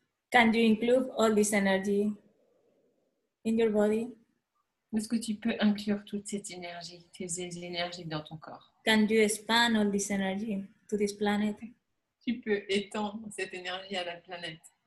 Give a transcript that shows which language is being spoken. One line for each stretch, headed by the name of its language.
English: Can you include all this energy in your body?
French: Est-ce que tu peux inclure toute cette énergie, tes énergies dans ton corps?
English: Can you expand all this energy to this planet?
French: Tu peux étendre cette énergie à la planète.